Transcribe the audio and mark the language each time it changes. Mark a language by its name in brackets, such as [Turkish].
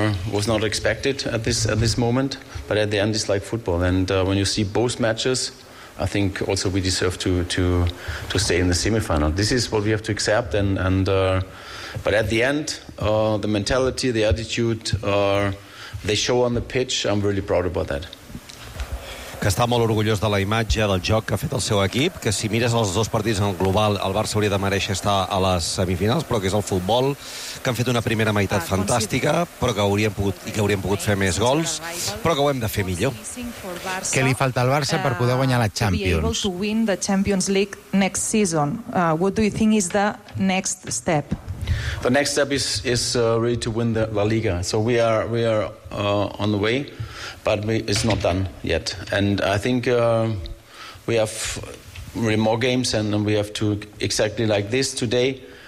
[English] Was not expected at this moment. But at the end, it's like football. And when you see both matches, I think also we deserve to stay in the semifinal. This is what we have to accept. But at the end, the mentality, the attitude, they show on the pitch, I'm really proud about that. [Catalan] Que està molt orgullós de la imatge, del joc que ha fet el seu equip, que si mires els dos partits en el global, el Barça hauria de mereixer estar a les semifinals, però que és el futbol, que han fet una primera meitat fantàstica, però que haurien pogut, i que haurien pogut fer més gols, però que ho hem de fer millor. Què li falta al Barça per poder guanyar la Champions? [English] To be able to win the Champions League next season. What do you think is the next step? The next step is really to win the La Liga. So we are on the way, but it's not done yet. And I think we have really more games, and we have to exactly like this today.